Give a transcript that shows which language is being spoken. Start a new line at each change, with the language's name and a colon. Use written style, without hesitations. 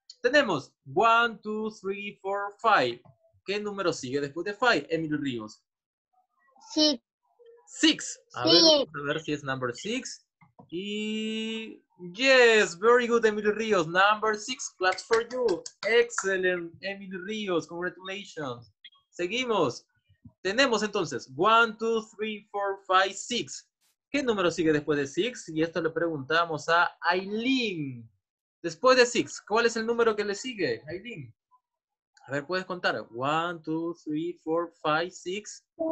English: Tenemos one, two, three, four, five.
Spanish: ¿Qué número sigue después de five, Emily Ríos?
English: Six. Six.
Spanish: A ver si es
English: number six. Y yes, very good, Emily Ríos. Number six, claps for you. Excellent, Emily Ríos. Congratulations. Seguimos. Tenemos entonces one, two, three, four, five, six.
Spanish: ¿Qué número sigue después de six? Y esto le preguntamos a Aileen. Después de six, ¿cuál es el número que le sigue, Aileen? A ver, ¿puedes contar?
English: One, two, three, four, five, six.